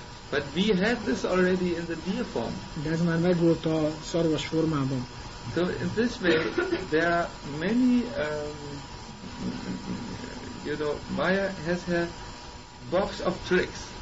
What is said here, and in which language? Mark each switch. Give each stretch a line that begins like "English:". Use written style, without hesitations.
English: But we had this already in the deer form.
Hungarian: De ez már megvolt a szarvas formában.
English: So in this way, there are many, you know, Maya has her box of tricks.